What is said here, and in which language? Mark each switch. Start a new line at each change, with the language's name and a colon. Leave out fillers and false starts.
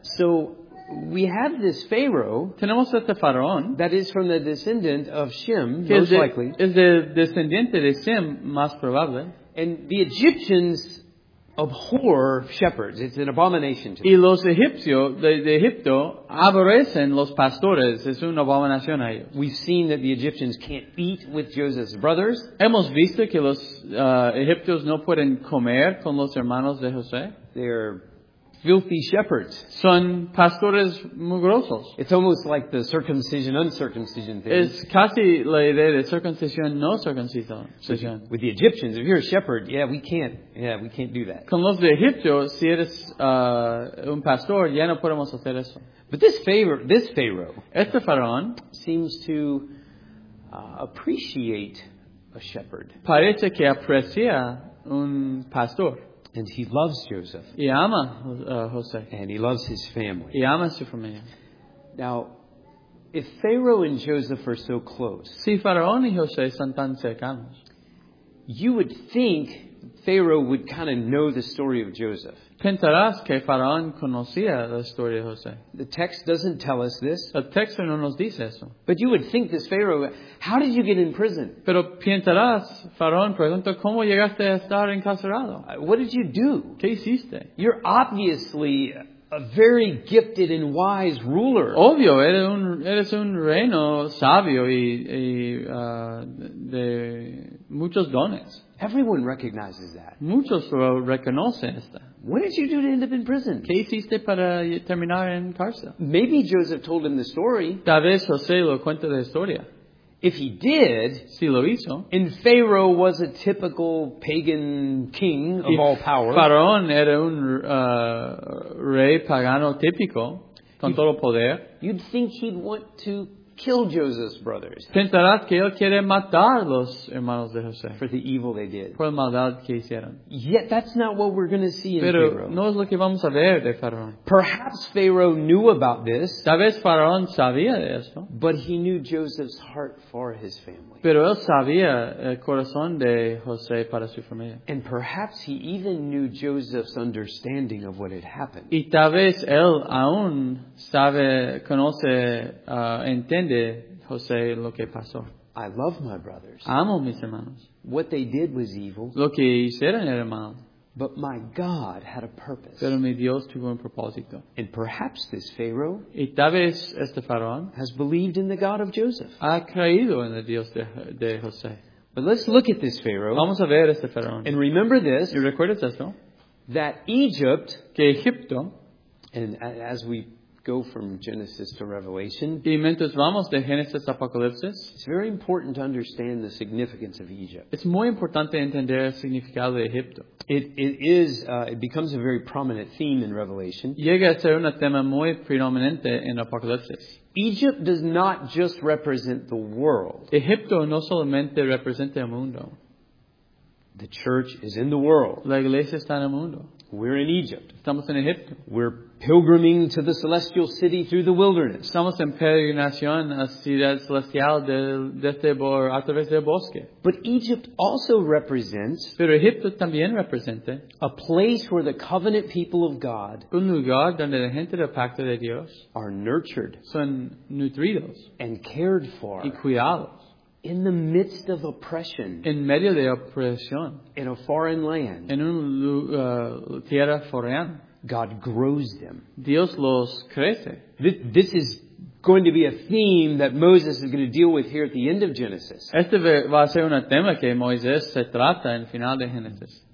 English: So we have this Pharaoh.
Spanish: Tenemos este faraón
English: that is from the descendant of Shem, most likely.
Spanish: Es de descendiente de Shem, más probable.
English: And the Egyptians abhor shepherds; it's an abomination to them.
Spanish: Y los egipcios de Egipto aborrecen los pastores; es una abominación a ellos.
English: We've seen that the Egyptians can't eat with Joseph's brothers.
Spanish: Hemos visto que los egipcios no pueden comer con los hermanos de José.
English: They're filthy shepherds.
Spanish: Son pastores mugrosos.
English: It's almost like the circumcision, uncircumcision thing.
Spanish: Es casi la idea de circuncisión, no circuncisión.
English: With the Egyptians, if you're a shepherd, yeah, we can't. Yeah, we can't do that.
Spanish: Con los de Egipto, si eres un pastor, ya no podemos hacer eso.
English: But this Pharaoh,
Spanish: este faraón,
English: seems to appreciate a shepherd.
Spanish: Parece que aprecia un pastor.
English: And he loves Joseph.
Spanish: Y ama José.
English: And he loves his family.
Spanish: Y ama su familia.
English: Now, if Pharaoh and Joseph are so close,
Spanish: si faraón y José son tan cercanos,
English: you would think Pharaoh would kind of know the story of Joseph.
Spanish: Pensarás que faraón conocía la historia de José.
English: The text doesn't tell us this.
Spanish: El texto no nos dice eso.
English: But you would think this Pharaoh, how did you get in prison?
Spanish: Pero pensarás, faraón pregunta, ¿cómo llegaste a estar encarcelado?
English: What did you do?
Spanish: ¿Qué hiciste?
English: You're obviously a very gifted and wise ruler.
Spanish: Obvio, eres un reino sabio y de muchos dones.
English: Everyone recognizes that.
Spanish: Muchos lo reconocen esta.
English: What did you do to end up in prison?
Spanish: ¿Qué hiciste para terminar en cárcel?
English: Maybe Joseph told him the story.
Spanish: Tal vez José lo cuenta la historia.
English: If he did,
Spanish: si lo hizo,
English: and Pharaoh was a typical pagan king of all power.
Spanish: Faraón era un rey pagano típico, con todo poder.
English: You'd think he'd want to kill Joseph's brothers.
Spanish: Pensarás que él quiere matar los hermanos de José.
English: For the evil they did.
Spanish: Por la maldad que hicieron.
English: Yet that's not what we're going to see
Spanish: Pero
English: in Pharaoh.
Spanish: No es lo que vamos a ver de Faraón.
English: Perhaps Pharaoh knew about this.
Spanish: Tal vez Faraón sabía de esto.
English: But he knew Joseph's heart for his family.
Spanish: Pero él sabía el corazón de José para su familia.
English: And perhaps he even knew Joseph's understanding of what had happened.
Spanish: Y tal vez él aún sabe, conoce, entiende José lo que pasó.
English: I love my brothers.
Spanish: Amo mis hermanos.
English: What they did was evil.
Spanish: Lo que hicieron era mal.
English: But my God had a purpose.
Spanish: Pero mi Dios tuvo un propósito.
English: And perhaps this Pharaoh,
Spanish: y tal vez este faraón,
English: has believed in the God of Joseph.
Spanish: Ha creído en el Dios de José.
English: But let's look at this Pharaoh.
Spanish: Vamos a ver este faraón.
English: And remember this.
Spanish: ¿Y recuerdas esto?
English: That Egypt,
Spanish: que Egipto,
English: and as we go from Genesis to Revelation,
Spanish: y mientras vamos de Génesis a Apocalipsis,
English: it's very important to understand the significance of Egypt.
Spanish: Es muy importante entender el significado de Egipto.
English: It becomes a very prominent theme in Revelation.
Spanish: Llega a ser un tema muy predominante en Apocalipsis.
English: Egypt does not just represent the world.
Spanish: Egipto no solamente representa el mundo.
English: The church is in the world.
Spanish: La iglesia está en el mundo.
English: We're in Egypt.
Spanish: Estamos en Egipto.
English: We're pilgriming to the celestial city through the wilderness.
Spanish: Estamos en peregrinación a ciudad celestial a través del bosque.
English: But Egypt also represents,
Spanish: pero Egipto también representa,
English: a place where the covenant people of God,
Spanish: un lugar donde la gente del pacto de Dios,
English: are nurtured,
Spanish: son nutridos,
English: and cared for,
Spanish: y cuidados.
English: In the midst of oppression,
Spanish: en medio de opresión,
English: in a foreign land,
Spanish: en un tierra
English: foreign, God grows them.
Spanish: Dios los crece.
English: This is going to be a theme that Moses is going to deal with here at the end of Genesis.
Spanish: Este va a ser un tema que Moisés se trata en final de Génesis.